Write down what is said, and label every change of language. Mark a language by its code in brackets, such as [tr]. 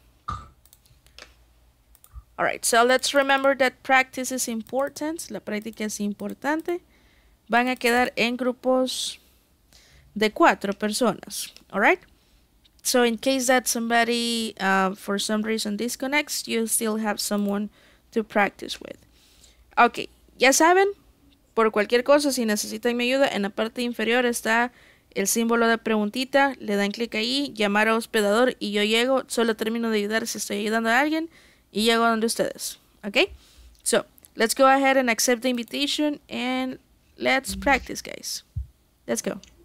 [en] All right, so let's remember that practice is important. [es] La práctica es importante. Van a quedar en grupos de cuatro personas. [en] All right? So in case that somebody, for some reason, disconnects, you still have someone to practice with. [es] Okay, ya saben, por cualquier cosa, si necesitan mi ayuda, en la parte inferior está el símbolo de preguntita. Le dan clic ahí, llamar a hospedador y yo llego. Solo termino de ayudar si estoy ayudando a alguien. Y llego donde ustedes. Okay? [en] So, let's go ahead and accept the invitation and let's practice, guys. Let's go.